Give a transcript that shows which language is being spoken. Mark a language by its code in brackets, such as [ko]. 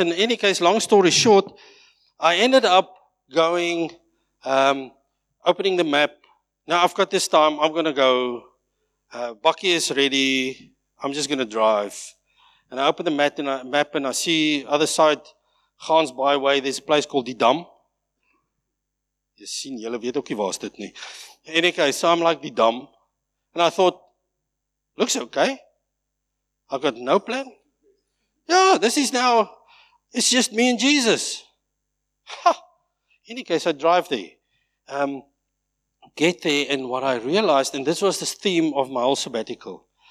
[en] And in any case, long story short, I ended up going, opening the map. Now I've got this time. I'm going to go. Bucky is ready. I'm just going to drive. And I open the map, and I see other side, Gans Byway. There's a place called Die Dam. [af] Jy sien, julle weet ook nie waar is dit nie. En ek hy saam like Die Dam. [en] And I thought, looks okay. I've got no plan. Yeah, this is now, it's just me and Jesus. In any case, I drive there. Get there, and what I realized, and this was the theme of my whole sabbatical.